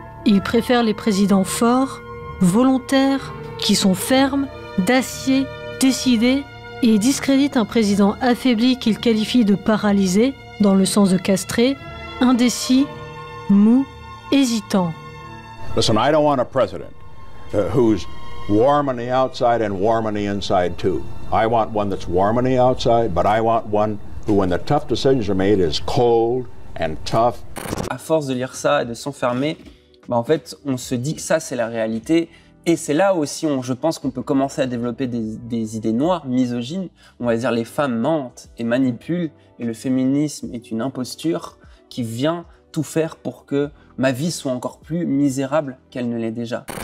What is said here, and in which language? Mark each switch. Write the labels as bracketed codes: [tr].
[fr] Il préfère les présidents forts, volontaires, qui sont fermes, d'acier, décidés, et discrédite un président affaibli qu'il qualifie de paralysé, dans le sens de castré, indécis, mou, hésitant. [en] Listen, I don't want a president who's warm on the outside and warm on the inside too. I want one that's warm on the outside, but I want one who, when the tough decisions are made, is cold and tough. [fr] À force de lire ça et de s'enfermer, bah en fait, on se dit que ça, c'est la réalité. Et c'est là aussi, je pense qu'on peut commencer à développer des idées noires, misogynes. On va dire les femmes mentent et manipulent, et le féminisme est une imposture qui vient tout faire pour que ma vie soit encore plus misérable qu'elle ne l'est déjà.